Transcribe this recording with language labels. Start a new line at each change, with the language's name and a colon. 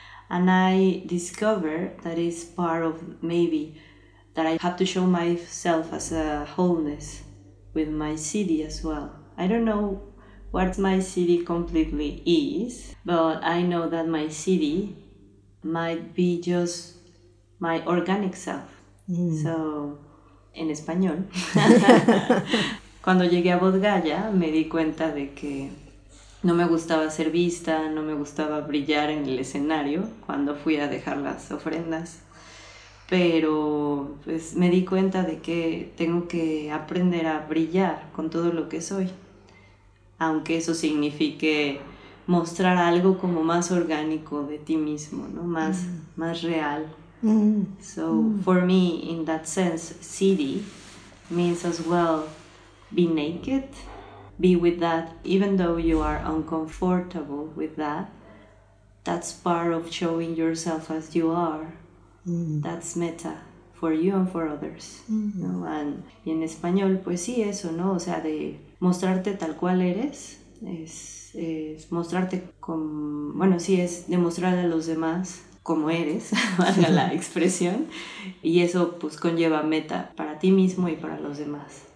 English: And I discover that it's part of maybe that I have to show myself as a wholeness with my Siddhi as well. I don't know what my Siddhi completely is, but I know that my Siddhi might be just my organic self. Mm.
Spanish: So, en español. Cuando llegué a Bodh Gaya, me di cuenta de que no me gustaba ser vista, no me gustaba brillar en el escenario cuando fui a dejar las ofrendas. Pero pues me di cuenta de que tengo que aprender a brillar con todo lo que soy. Aunque eso signifique mostrar algo como más orgánico de ti mismo, ¿no? Más, mm, más real. Mm.
English: So, for me, in that sense, Siddhi means as well be naked, be with that, even though you are uncomfortable with that. That's part of showing yourself as you are. Mm. That's metta for you and for others. Mm.
Spanish: ¿No? And in español, pues sí, eso, ¿no? O sea, de mostrarte tal cual eres, es mostrarte con, bueno, sí, es demostrar a los demás como eres, valga la expresión, y eso pues conlleva metta para ti mismo y para los demás.